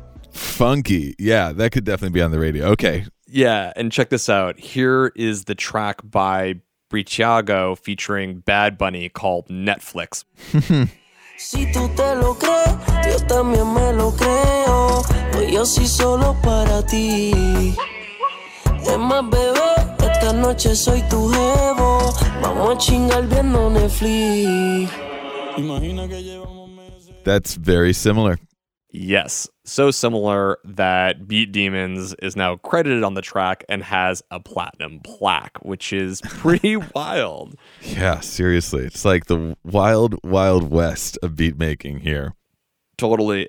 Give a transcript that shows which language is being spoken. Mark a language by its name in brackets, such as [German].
[English] Funky. Yeah, that could definitely be on the radio. Okay. Yeah, and check this out. Here is the track by Breciago featuring Bad Bunny called Netflix. [Spanish] Si tú te lo crees, yo también me lo creo. Hoy yo sí solo para ti. Es más, bebé, esta noche soy tu jevo. Vamos a chingar viendo Netflix. Imagina que llevamos meses. [English] That's very similar. Yes, so similar that Beat Demons is now credited on the track and has a platinum plaque, which is pretty wild. Yeah, seriously. It's like the wild, wild west of beat making here. Totally.